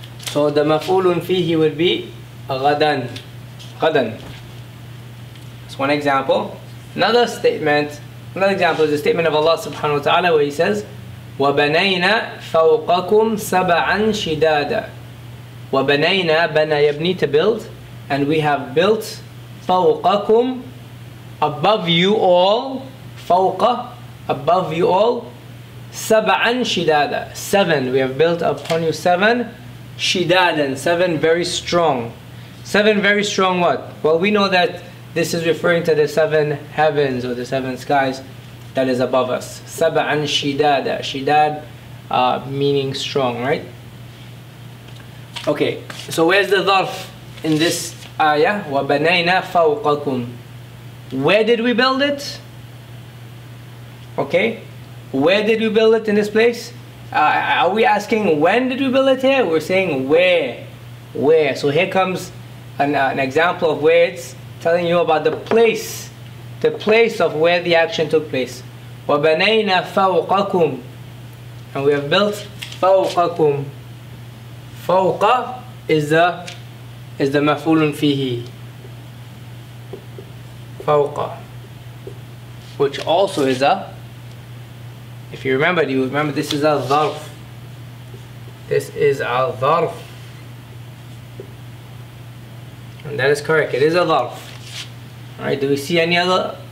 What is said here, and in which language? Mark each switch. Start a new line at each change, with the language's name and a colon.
English: So the مَفُولٌ فِيهِ would be غَدًا. غَدًا. That's one example. Another statement, another example is the statement of Allah subhanahu wa ta'ala where he says,
Arabic: وَبَنَيْنَا فَوْقَكُمْ سَبَعًا شِدَادًا. وَبَنَيْنَا, بَنَى يَبْنِي,
English: to build. And we have built, فَوْقَكُمْ, above you all. فَوْقَ, above you all.
Arabic: سَبَعًا شِدَادًا, seven.
English: We have built upon you seven. شِدَادًا, seven very strong. Seven very strong what? Well, we know that this is referring to the seven heavens or the seven skies that is above us.
Arabic: سَبَعًا شِدَادًا.
English: شِدَاد meaning strong, right? Okay, so where's the dharf in this ayah?
Arabic: وَبَنَيْنَا فَوْقَكُمْ.
English: Where did we build it? Okay, where did we build it in this place? Are we asking when did we build it here? We're saying where. Where? So here comes an example of where it's telling you about the place. The place of where the action took place.
Arabic: وَبَنَيْنَا فَوْقَكُمْ.
English: And we have built فَوْقَكُمْ. فَوْقَ is the مَفْعُولٌ فِيهِ.
Arabic: فَوْقَ.
English: Which also is a, if you remember, you remember this is a ظَرْف. This is a ظَرْف. And that is correct, it is a ظَرْف. Alright, do we see any other